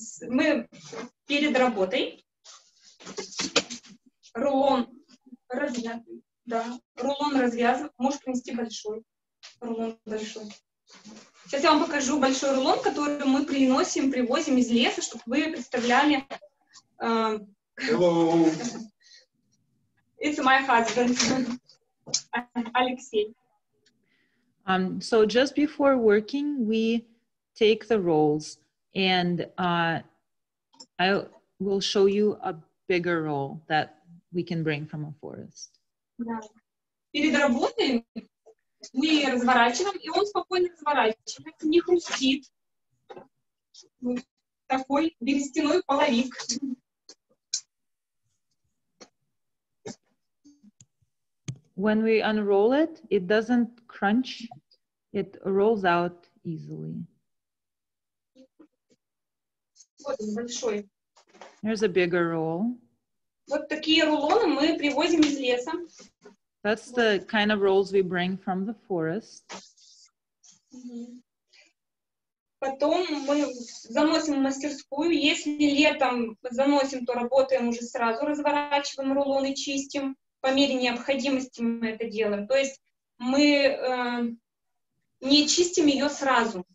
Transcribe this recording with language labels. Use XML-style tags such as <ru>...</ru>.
<ru>Мы перед работой рулон развязываем. Можешь принести большой рулон, большой. Сейчас я вам покажу большой рулон, который мы приносим, привозим из леса, чтобы вы представляли.</ru> <en>Hello. It's my husband, Алексей. So just before working, we take the rolls, and I will show you a bigger roll that we can bring from a forest.</en> <ru>Перед работой мы разворачиваем, и он спокойно разворачивает, не хрустит. Такой берестяной половик.</ru> <en>When we unroll it, it doesn't crunch. It rolls out easily. There's a bigger roll.</en> <ru>Вот такие рулоны мы привозим из леса.</ru> <en>That's the kind of rolls we bring from the forest.</en> <ru>Потом мы заносим в мастерскую. Если летом заносим, то работаем уже сразу, разворачиваем рулоны, чистим. По мере необходимости мы это делаем. То есть мы не чистим ее сразу.</ru>